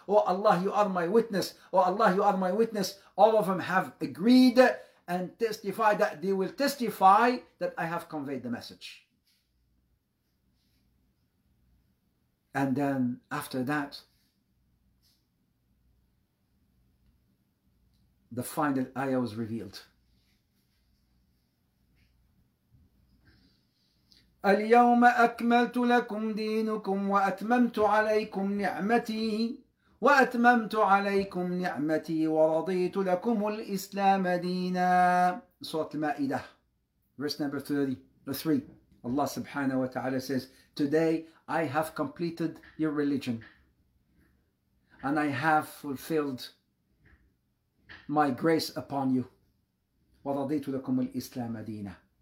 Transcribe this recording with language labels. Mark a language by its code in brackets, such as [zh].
[en] Oh Allah, you are my witness. Oh Allah, you are my witness. All of them have agreed and testified that they will testify that I have conveyed the message. And then after that, the final ayah was revealed. [ar] اليوم أكملت لكم دينكم وأتممت عليكم نعمتي وأتممت عليكم نعمتي ورضيت لكم الإسلام دينا. [en] سورة المائدة, verse number 33. Allah subhanahu wa ta'ala says, today I have completed your religion and I have fulfilled my grace upon you. [ar] ورضيت لكم الإسلام دينا.